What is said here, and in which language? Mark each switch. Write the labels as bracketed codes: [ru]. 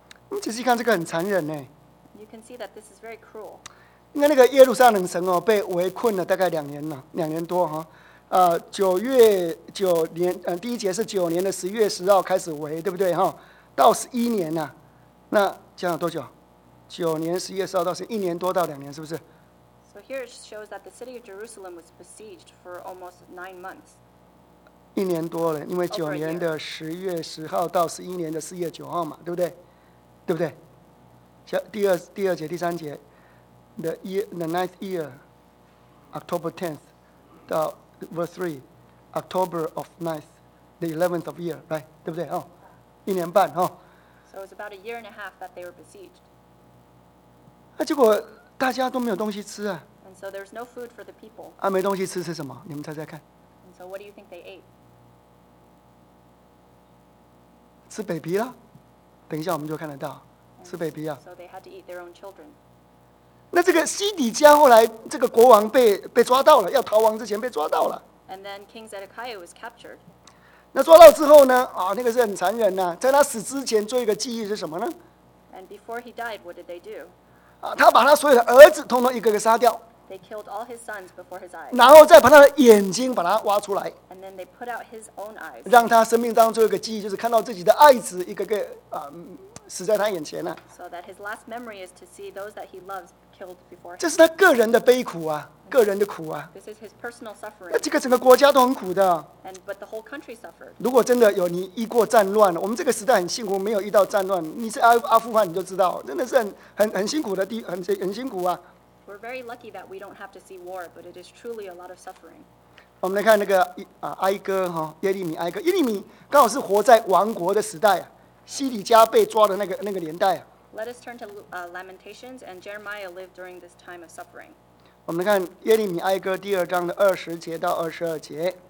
[en] You can see that this is very cruel. [zh] 那个耶路撒冷城哦，被围困了大概2年了，2年多哈。九月九年，第一节是九年的10月10号开始围，对不对哈？到11年呐，那这样多久？9年10月10号到11年多到2年，是不是？ [en] So here it shows that the city of Jerusalem was besieged for almost 9 months. [zh] 一年多了，因为九年的10月10号到11年的4月9号嘛，对不对？对不对？第二节第三节 [en] the ninth year October 10th 到 verse 3 October of ninth the 11th of year, right? [zh] 对不对?哦, 一年半, 哦。 [en] So it was about a year and a half that they were besieged. [zh] 啊, 结果大家都没有东西吃啊。 [en] And so there was no food for the people. [zh] 啊, 没东西吃是什么?你们猜猜看。 [en] And so what do you think they ate? [zh] 吃北鼻啦。等一下我们就看得到, and 吃北鼻啊。 [en] So they had to eat their own children. [zh] 那这个西底家后来这个国王被抓到了, 要逃亡之前被抓到了。 [en] And then King Zedekiah was captured. [zh] 那抓到之后呢, 啊, 那个是很残忍啊, 在他死之前做一个记忆是什么呢? [en] And before he died, what did they do? [zh] 啊, 他把他所有的儿子统统一个个杀掉。 [en] They killed all his sons before his eyes. [zh] 然后再把他的眼睛把他挖出来。 [en] And then they put out his own eyes. [zh] 让他生命当中做一个记忆, 就是看到自己的爱子一个个, 啊, 死在他眼前啊。 [en] So that his last memory is to see those that he loves killed before him. [zh] 这是他个人的悲苦啊。个人的苦啊, [en] this is his personal suffering. [zh] 那这个整个国家都很苦的, [en] and, but the whole country suffered. [zh] 如果真的有你遇过战乱, 我们这个时代很幸福, 没有遇到战乱, 你是阿富汗你就知道, 真的是很辛苦的地, 很辛苦啊。 [en] We're very lucky that we don't have to see war, but it is truly a lot of suffering. [zh] 我们来看那个, 啊, 哀歌, 哦, 耶利米哀歌, 耶利米刚好是活在王国的时代啊, 西底家被抓的那个, 那个年代啊。 [en] Let us turn to Lamentations, and Jeremiah lived during this time of suffering. [zh] 我们看耶利米哀歌第二章的20节到22节。